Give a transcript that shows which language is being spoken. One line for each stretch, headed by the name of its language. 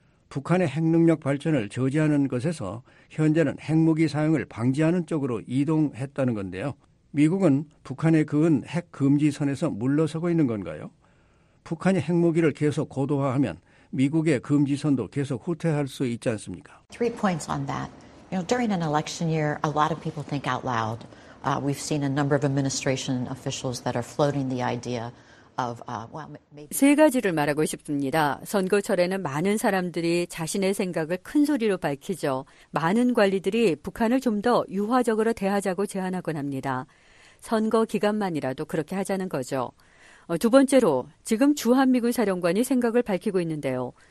Korean: 북한의 핵 능력 발전을 저지하는 것에서 현재는 핵무기 사용을 방지하는 쪽으로 이동했다는 건데요. 미국은 북한에 그은 핵 금지선에서 물러서고 있는 건가요? 북한이 핵무기를 계속 고도화하면 미국의 금지선도 계속 후퇴할 수 있지 않습니까?
English: Three points on that. You know, during an election year, a lot of people think out loud. We've seen a number of administration officials that are floating the idea.
Korean: 세 가지를 말하고 싶습니다. 선거철에는 많은 사람들이 자신의 생각을 큰 소리로 밝히죠. 많은 관리들이 북한을 좀 더 유화적으로 대하자고 제안하곤 합니다. 선거 기간만이라도 그렇게 하자는 거죠. 두 번째로 지금 주한미군 사령관이 생각을 밝히고 있는데요.